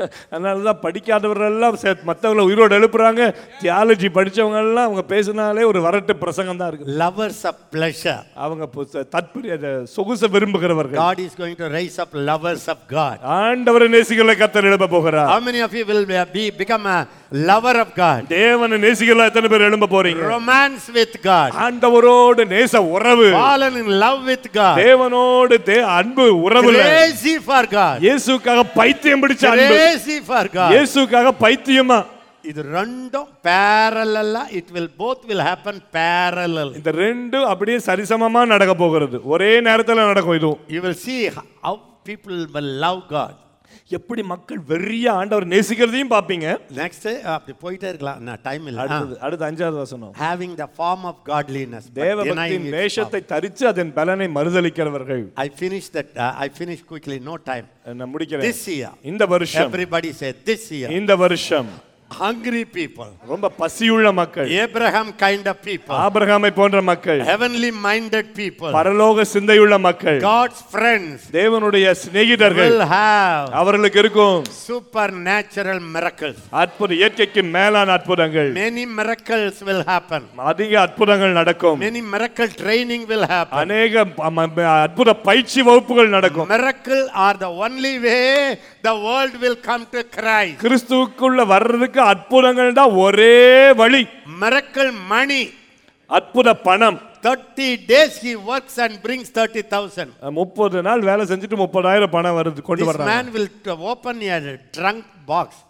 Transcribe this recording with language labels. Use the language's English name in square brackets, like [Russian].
[Tamil] அதனால படிக்காதவர்கள் எல்லாம் மற்றவங்களை உயிரோடு எழுப்புறாங்க. தியாலஜி படித்தவங்க எல்லாம் அவங்க பேசினாலே ஒரு வரட்டு பிரசங்கம் தான் இருக்கு. [English] Lovers of pleasure. [Tamil] அவங்க தற்பரிய சொகுசை விரும்புகிறவர்கள். [English] God is going to raise up lovers of God. [Tamil] ஆண்டவர் நேசிகளை கர்த்தர் எழுப்ப போகிறார். [English] How many of you will become a lover of God? [Tamil] தேவனை நேசிகளா எத்தனை பேர் எழும்ப போறீங்க? [English] Romance with God. [Tamil] ஆண்டவரோடு நேச உறவு. [English] Fallen in love with God. [Tamil] தேவனோடு அன்பு உறவு. [English] Crazy for God. [Tamil] இயேசுக்காக பைத்தியம் பிடிச்ச அன்பு. [English] Crazy for God. [Tamil] இயேசுக்காக பைத்தியமா. இது ரெண்டும் [English] parallel, it will both will happen parallel. [Tamil] இந்த ரெண்டும் அப்படியே சரிசமமா நடக்க போகிறது. ஒரே நேரத்துல நடக்கும் இது. [English] You will see how people will love God. [Tamil] எப்படி மக்கள் வெறிய ஆண்டவர் நேசிக்கிறதையும் பாப்பீங்க. நெக்ஸ்ட் அப்படி போயிட்டே இருக்கலாம், நான் டைம் இல்ல. அடுத்து அஞ்சாவது வசனம், [English] having the form of godliness, [Tamil] தேவ பக்தியின் வேஷத்தை தரித்து அதன் பலனை மறுதலிக்கிறவர்கள். [English] I finish quickly, no time. [Tamil] நான் முடிக்கிறேன். [English] This year, [Tamil] இந்த வருஷம், [English] everybody say this year, [Tamil] இந்த வருஷம், [English] hungry people, [Tamil] ரொம்ப பசியுள்ள மக்கள், [English] Abraham kind of people, [Tamil] ஆபிரகாமை போன்ற மக்கள், [English] heavenly minded people, [Tamil] பரலோக சிந்தையுள்ள மக்கள், [English] God's friends, [Tamil] தேவனுடைய சிநேகிதர்கள், [English] will have, [Tamil] அவர்களுக்கு இருக்கும் [English] supernatural miracles, [Tamil] அற்புத இயற்கைக்கு மேலான அற்புதங்கள், [English] many miracles will happen, [Tamil] அதிக அற்புதங்கள் நடக்கும், [English] many miracle training will happen, [Tamil] அநேக அற்புத பயிற்சி வகுப்புகள் நடக்கும். [English] Miracle are the only way the world will come to Christ. [Tamil] கிறிஸ்துவுக்குள்ள வர்றது அற்புதங்கள் தான் ஒரே வழி. [English] miracle money, [Tamil] அற்புத பணம். [English] 30 days he works and brings 30,000. [Tamil] 30 நாள் வேலை செஞ்சிட்டு 30,000 பணம் வருது கொண்டு வர்றாரு. [English] This man will open a drunk box.